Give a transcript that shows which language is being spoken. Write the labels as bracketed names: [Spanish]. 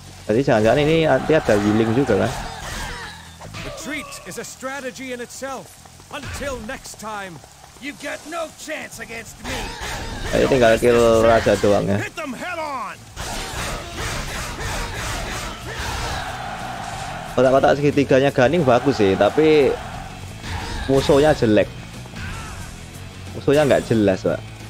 [Indonesian] Jadi jangan-jangan ini nanti ada healing juga kan. [English] Retreat is a strategy in itself. Until next time, you get no chance against me. [Indonesian] Jadi tinggal kill raja doang ya. [English] Hit them head on. [Indonesian] Kotak-kotak segitiganya Ganing bagus sih, tapi musuhnya jelek. Musuhnya nggak jelas, Pak.